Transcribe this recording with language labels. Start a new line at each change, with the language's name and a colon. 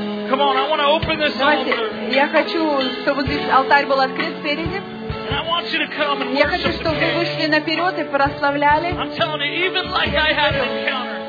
English: Come on, I want to open this altar.
Russian: Я хочу, чтобы здесь алтарь был открыт спереди.
English: And I want you to come and
Russian: я хочу, чтобы вы вышли наперед и прославляли.
English: I'm telling you, even like I had an encounter.